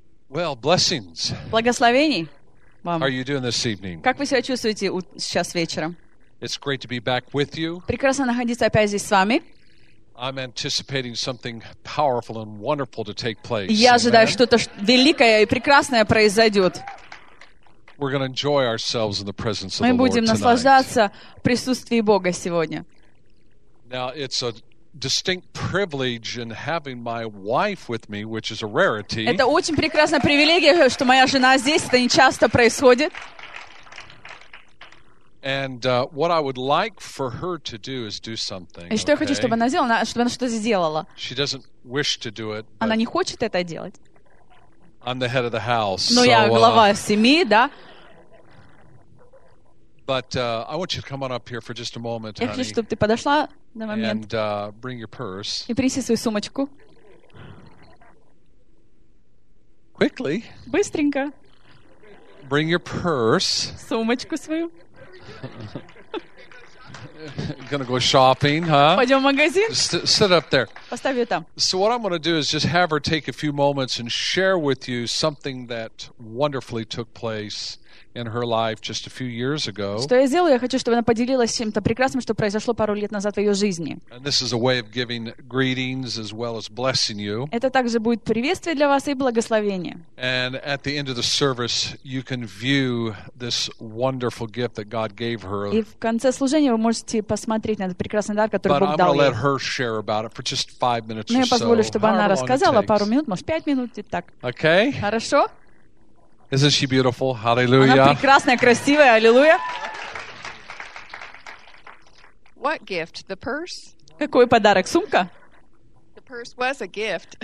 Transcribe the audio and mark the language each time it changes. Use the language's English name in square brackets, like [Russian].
[English] Well, blessings. [Russian] Благословений вам. [English] How are you doing this evening? [Russian] Как вы себя чувствуете сейчас вечером? [English] It's great to be back with you. [Russian] Прекрасно находиться опять здесь с вами. [English] I'm anticipating something powerful and wonderful to take place. [Russian] Я ожидаю, что-то великое и прекрасное произойдет. [English] We're going to enjoy ourselves in the presence of the Lord tonight. [Russian] Мы будем наслаждаться присутствием Бога сегодня. [English] Now it's a distinct privilege in having my wife with me, which is a rarity. [Russian] Это очень прекрасная привилегия, что моя жена здесь. Это не часто происходит. [English] And what I would like for her to do is do something. [Russian] И что я хочу, чтобы она сделала, чтобы она что-то сделала. [English] She doesn't wish to do it. [Russian] Она не хочет это делать. [English] I'm the head of the house. [Russian] Но я глава семьи, да? [English] But I want you to come on up here for just a moment, honey. [Russian] Я хочу, чтобы ты подошла на момент. [English] And bring your purse. [Russian] И принеси свою сумочку. [English] Quickly. [Russian] Быстренько. [English] Bring your purse. [Russian] Сумочку свою. [English] Gonna go shopping, huh? [Russian] Пойдем в магазин. [English] Sit up there. [Russian] Поставь ее там. [English] So what I'm going to do is just have her take a few moments and share with you something that wonderfully took place in her life just a few years ago. [Russian] Что я сделаю? Я хочу, чтобы она поделилась чем-то прекрасным, что произошло пару лет назад в ее жизни. [English] And this is a way of giving greetings as well as blessing you. [Russian] Это также будет приветствие для вас и благословение. [English] And at the end of the service, you can view this wonderful gift that God gave her. [Russian] И в конце служения вы можете посмотреть на этот прекрасный дар, который Бог дал ей. [English] But I'm going to let her share about it for just 5 minutes or so. [Russian] Но я позволю, чтобы она рассказала пару минут, может, 5 минут и так. [English] Okay. [Russian] Хорошо. [English] Isn't she beautiful? Hallelujah. [Russian] Она прекрасная, красивая. Аллилуйя. [English] What gift? The purse? [Russian] Какой подарок? Сумка? [English] The purse was a gift.